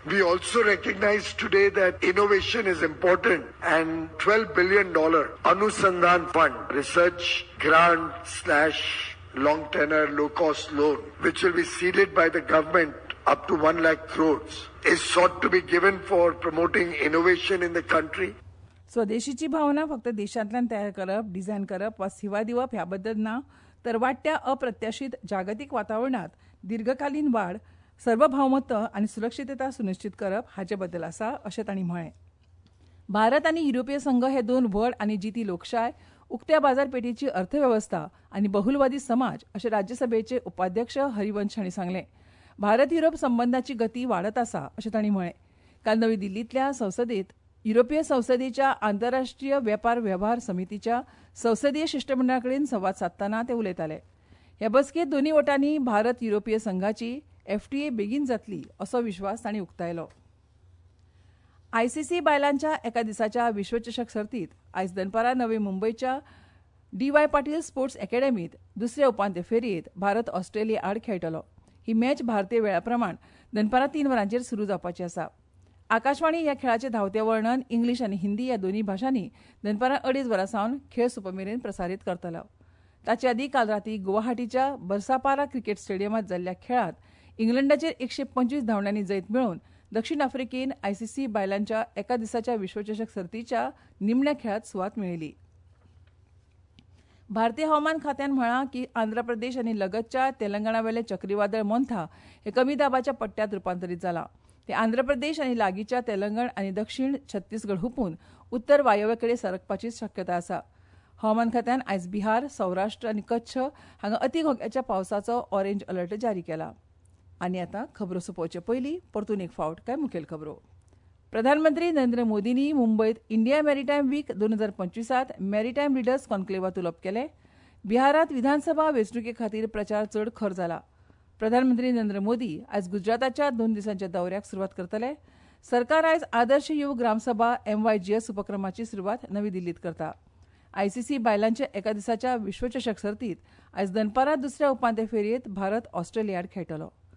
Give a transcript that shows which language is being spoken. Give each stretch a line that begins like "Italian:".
English: We also recognize today that innovation is important and $12 billion Anusandhan Fund, research grant / long tenor low cost loan, which will be seeded by the government up to 1 lakh crores, is sought to be given for promoting innovation in the country.
Goan Konkani: स्वदेशीची भावना फक्त देशांतल्यान तयार करप design करप वा सेवा दिवप ह्या बद्दल ना तर वाढत्या अप्रत्याशित जागतिक वातावरणात दीर्घकालीन वाढ सर्व भावमत्व आणि सुरक्षितता सुनिश्चित करप हाचे बद्दल असा असे ताणी म्हळे। भारत आणि युरोपीय संघ हे दोन व्हड आणि जिती लोकशाय उक्त्या बाजारपेठेची अर्थव्यवस्था आणि बहुलवादी समाज असे राज्यसभेचे उपाध्यक्ष हरिवंश हांणी सांगले। भारत युरोप संबंधाची गती वाढत असा असे ताणी म्हळे। काल नवी दिल्लीतल्या संसदेत युरोपीय संसदेच्या आंतरराष्ट्रीय व्यापार व्यवहार समितीच्या संसदीय शिष्टमंडळाकडेन संवाद साधताना ते उलयताले। ह्या बसकेत दोन्ही वटांनी भारत युरोपीय संघाची एफटीए बेगीन जातली असो विश्वास तांणी उक्तायलो। आयसीसी बायलांच्या एका दिसाच्या विश्वचषक सर्तीत आयज दनपारा नवी मुंबईच्या डीवाय पाटील स्पोर्ट्स अकॅडमीत दुसऱ्या उपांत्य फेरयेत भारत ऑस्ट्रेलिया आड खेळटलो। ही मॅच भारतीय वेळाप्रमाण दनपारा 3 वरांचेर सुरू जावपाची आसा। आकाशवाणी या खेळाचे धावते वर्णन इंग्लिश आणि हिंदी या दोन्ही भाषांनी दनपारा 2:30 खेळ सुपमेरेन प्रसारित करतलो। ताचे आधी काल राती गुवाहाटीच्या बरसापारा क्रिकेट स्टेडियमात झालेल्या खेळात इंग्लंडाचे 125 धावण्यांनी जैत मिळवून दक्षिण आफ्रिकेन आयसीसी बायलांच्या एका दिवसाच्या विश्वचषक सर्तीच्या निमण्या खेळात सुवात मिळाली। भारतीय हवामान खात्यान म्हळां की आंध्र प्रदेश आणि लगतच्या तेलंगणावेले चक्रीवादळ मोंथा हे कमी दाबाच्या पट्ट्यात रुपांतरीत झाला। ते आंध्र प्रदेश आणि लागीच्या तेलंगण आणि दक्षिण छत्तीसगड हुपून उत्तर वायव्येकडे सरकपाची शक्यता असा। हवामान खात्यान आयज बिहार सौराष्ट्र आणि कच्छ हांगा अतिघोग्याच्या पावसाचो ऑरेंज अलर्ट जारी केला। आणि आता खबरो सोपोवचे पहिली परतून एक फावट काय मुखेल खबरो। प्रधानमंत्री नरेंद्र मोदींनी मुंबईत India maritime week 2025 maritime leaders कॉन्क्लेवात उलोवप केले। बिहारात विधानसभा वेंचणुके खातीर प्रचार चड खर झाला। प्रधानमंत्री नरेंद्र मोदी आज गुजराताच्या 2 दिवसांच्या दौऱ्याक सुरुवात करतले। सरकार आज आदर्श युव ग्रामसभा MYGS उपक्रमाची सुरुवात नवी दिल्लीत करता। आयसीसी बायलांच्या एका दिसाच्या विश्वचषक सर्तीत आज दनपारा दुसऱ्या उपांत्य फेरयेत भारत ऑस्ट्रेलियाड खेळटलो।